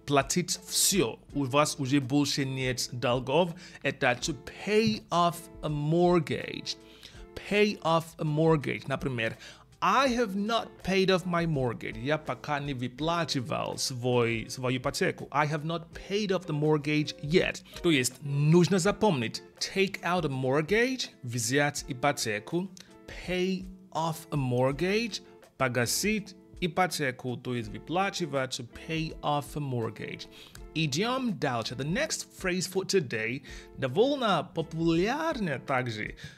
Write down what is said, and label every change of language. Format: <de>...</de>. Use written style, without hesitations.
<ru>Платить все. У вас уже больше нет долгов. Это</ru> <en>to pay off a mortgage. Pay off a mortgage.</en> <ru>Например,</ru> <en>I have not paid off my mortgage.</en> <ru>Я пока не выплачивал свою ипотеку.</ru> <en>I have not paid off the mortgage yet.</en> <ru>То есть, нужно запомнить.</ru> <en>Take out a mortgage,</en> <ru>взять ипотеку.</ru> <en>Pay off a mortgage,</en> <ru>погасить ипотеку. То есть, выплачивать,</ru> <en>to pay off a mortgage.</en> <ru>Идем дальше.</ru> <en>The next phrase for today,</en> <ru>довольно популярная также.</ru>